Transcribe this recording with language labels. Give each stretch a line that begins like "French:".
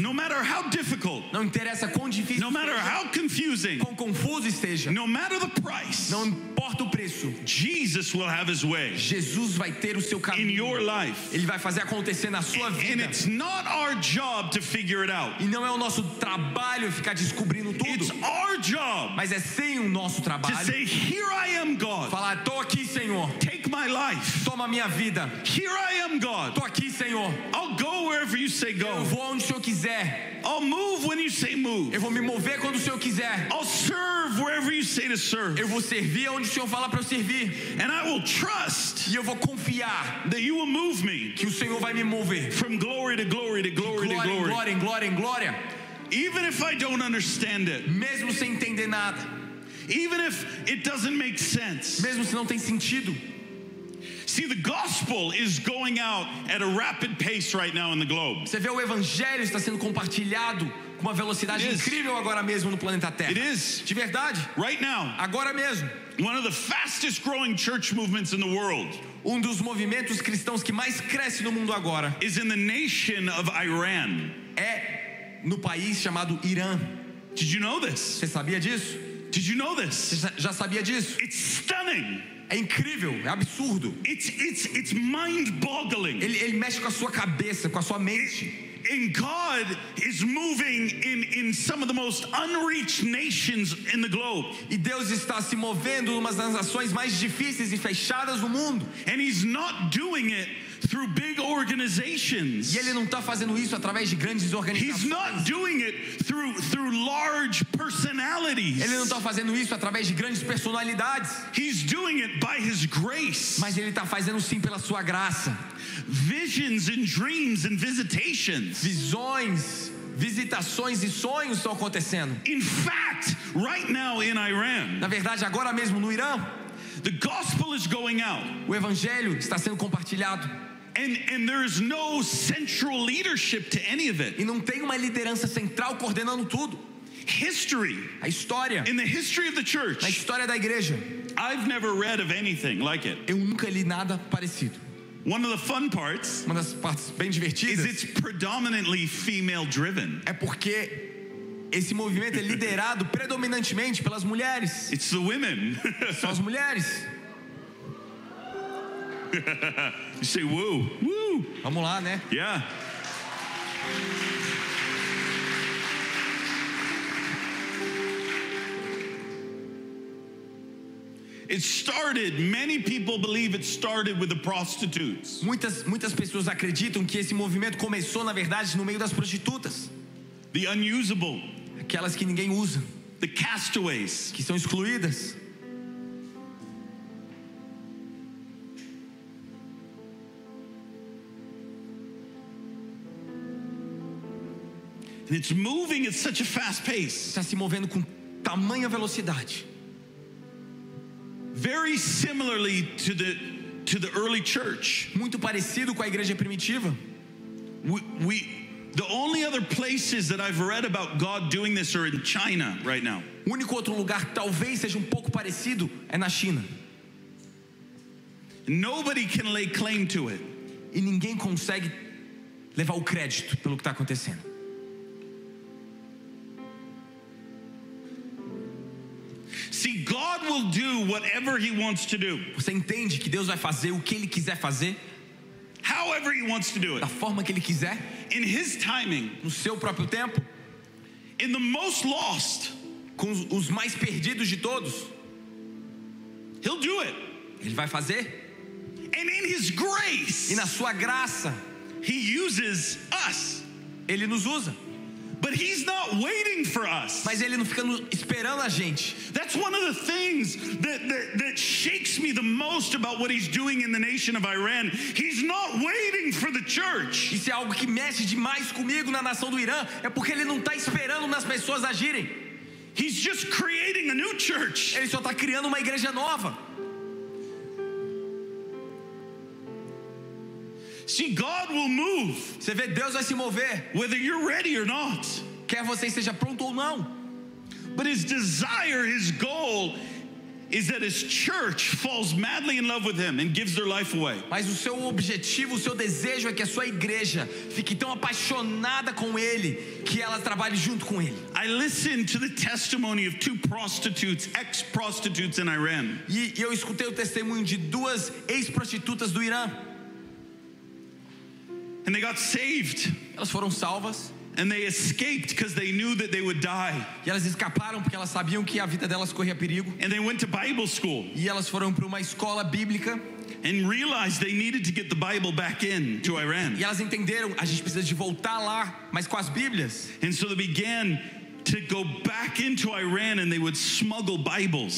English: No matter how difficult.
Portuguese: Não interessa quão difícil.
English: No matter how confusing.
Portuguese: Quão confuso esteja.
English: No matter the price.
Portuguese: Não importa o preço.
English: Jesus will have His way.
Portuguese: Jesus vai ter o seu caminho.
English: In your life.
Portuguese: Ele vai fazer acontecer na sua vida.
English: And it's not our job to figure it out.
Portuguese: E não é o nosso trabalho ficar descobrindo tudo.
English: It's our job.
Portuguese: Mas é sim o nosso trabalho.
English: To say, here I am, God.
Portuguese: Falar, tô aqui, Senhor.
English: Take my life.
Portuguese: Toma minha vida.
English: Here I am, God.
Portuguese: Tô aqui, Senhor.
English: I'll go wherever you say go.
Portuguese: Eu vou onde o Senhor quiser.
English: I'll move when you say move.
Portuguese: Eu vou me mover quando o Senhor quiser.
English: I'll serve wherever you say to serve.
Portuguese: Eu vou servir onde o Senhor fala para eu servir.
English: And I will trust.
Portuguese: E eu vou confiar.
English: That you will move me.
Portuguese: Que o Senhor vai me mover.
English: From glory to glory to glory to glory.
Portuguese: Glória em glória em glória.
English: Even if I don't understand it.
Portuguese: Mesmo sem entender nada.
English: Even if it doesn't make sense.
Portuguese: Mesmo se não tem sentido.
English: See, the gospel is going out at a rapid pace right now in the globe.
Portuguese: Você vê, o evangelho está sendo compartilhado com uma velocidade incrível agora mesmo no planeta Terra.
English: It is.
Portuguese: De verdade?
English: Right now.
Portuguese: Agora mesmo.
English: One of the fastest growing church movements in the world.
Portuguese: Um dos movimentos cristãos que mais cresce no mundo agora.
English: Is in the nation of Iran.
Portuguese: É no país chamado Irã.
English: Did you know this?
Portuguese: Você sabia disso?
English: Did you know this?
Portuguese: Já sabia disso?
English: It's stunning.
Portuguese: É incrível, é absurdo.
English: It's mind-boggling.
Portuguese: Ele mexe com a sua cabeça, com a sua mente.
English: And God is moving in some of the most unreached nations in the globe.
Portuguese: E Deus está se movendo numa das nações mais difíceis e fechadas do mundo.
English: And He's not doing it through big organizations.
Portuguese: E ele não está fazendo isso através de grandes organizações.
English: He's not doing it through large personalities.
Portuguese: Ele não está fazendo isso através de grandes personalidades.
English: He's doing it by His grace.
Portuguese: Mas ele está fazendo sim pela sua graça.
English: Visions and dreams and visitations.
Portuguese: Visões, visitações e sonhos estão acontecendo.
English: In fact, right now in Iran.
Portuguese: Na verdade, agora mesmo no Irã.
English: The gospel is going out.
Portuguese: O evangelho está sendo compartilhado.
English: And there is no central leadership to any of it.
Portuguese: E não tem uma liderança central coordenando tudo.
English: History.
Portuguese: A história.
English: In the history of the church.
Portuguese: A história da igreja.
English: I've never read of anything like it.
Portuguese: Eu nunca li nada parecido.
English: One of the fun parts,
Portuguese: uma das partes bem divertidas,
English: is it's predominantly female driven.
Portuguese: É porque esse movimento é liderado predominantemente pelas mulheres.
English: It's the women.
Portuguese: São as mulheres.
English: You say woo.
Portuguese: Woo. Vamos lá, né?
English: Yeah. It started, many people believe it started with the prostitutes.
Portuguese: Muitas pessoas acreditam que esse movimento começou, na verdade, no meio das prostitutas.
English: The unusable.
Portuguese: Aquelas que ninguém usa.
English: The castaways.
Portuguese: Que são excluídas.
English: And it's moving at such a fast pace.
Portuguese: Está se movendo com tamanha velocidade.
English: Very similarly to the early church.
Portuguese: Muito parecido com a igreja primitiva.
English: We the only other places that I've read about God doing this are in China right now.
Portuguese: O único outro lugar que talvez seja pouco parecido é na China.
English: Nobody can lay claim to it.
Portuguese: E ninguém consegue levar o crédito pelo que está acontecendo.
English: See, God will do whatever He wants to do.
Portuguese: Você entende que Deus vai fazer o que Ele quiser fazer?
English: However He wants to do it.
Portuguese: Da forma que Ele quiser.
English: In His timing.
Portuguese: No seu próprio tempo.
English: In the most lost.
Portuguese: Com os mais perdidos de todos.
English: He'll do it.
Portuguese: Ele vai fazer.
English: And in His grace.
Portuguese: E na sua graça.
English: He uses us.
Portuguese: Ele nos usa.
English: But he's not waiting for us.
Portuguese: Mas ele não fica esperando a gente.
English: That's one of the things that shakes me the most about what he's doing in the nation of Iran. He's not waiting for the church.
Portuguese: Isso é algo que mexe demais comigo na nação do Irã, é porque ele não está esperando nas pessoas agirem.
English: He's just creating a new church.
Portuguese: Ele só está criando uma igreja nova.
English: See, God will move.
Portuguese: Você vê, Deus vai se mover.
English: Whether you're ready or not.
Portuguese: Quer você esteja pronto ou não.
English: But his desire, his goal, is that his church falls madly in love with him and gives their life away.
Portuguese: Mas o seu objetivo, o seu desejo é que a sua igreja fique tão apaixonada com ele que ela trabalhe junto com ele.
English: I listened to the testimony of two prostitutes, ex-prostitutes in Iran.
Portuguese: E eu escutei o testemunho de duas ex-prostitutas do Irã.
English: And they got saved.
Portuguese: Elas foram salvas.
English: And they escaped because they knew that they would die.
Portuguese: E elas escaparam porque elas sabiam que a vida delas corria perigo.
English: And they went to Bible school.
Portuguese: E elas foram para uma escola bíblica.
English: And realized they needed to get the Bible back in to Iran.
Portuguese: E elas entenderam, a gente precisa de voltar lá, mas com as Bíblias.
English: And so they began to go back into Iran and they would smuggle Bibles.